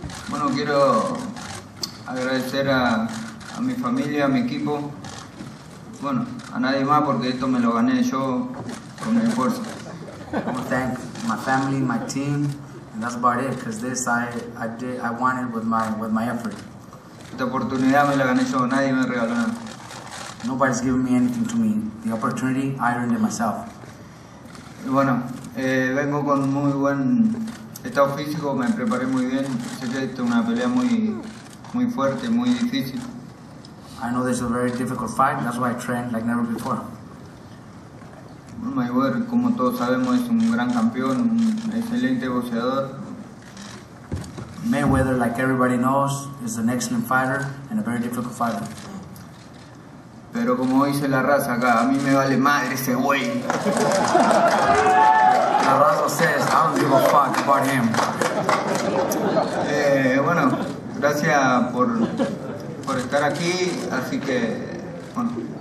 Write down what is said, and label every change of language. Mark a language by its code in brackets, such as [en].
[es] Bueno, quiero agradecer a mi familia, a mi equipo, bueno, a nadie más porque esto me lo gané yo con mi esfuerzo. [en] I want to thank my family, my team, and that's about it, because this I won it with my effort. [es] Esta oportunidad me la gané yo, nadie me regaló nada. [en] Nobody's giving me anything to me. The opportunity, I earned it myself. [es] Y bueno, vengo con muy buen estado físico, me preparé muy bien. Sé que esto es una pelea muy fuerte, muy difícil. [en] I know this is a very difficult fight, that's why I trained like never before. [es] Bueno, Mayweather, como todos sabemos, es un gran campeón, un excelente boxeador. [en] Mayweather, like everybody knows, is an excellent fighter and a very difficult fighter. [es] Pero como dice la raza acá, a mí me vale madre ese güey. [en] La raza says, I don't give a fuck about him. [es] Bueno, gracias por estar aquí, así que, bueno.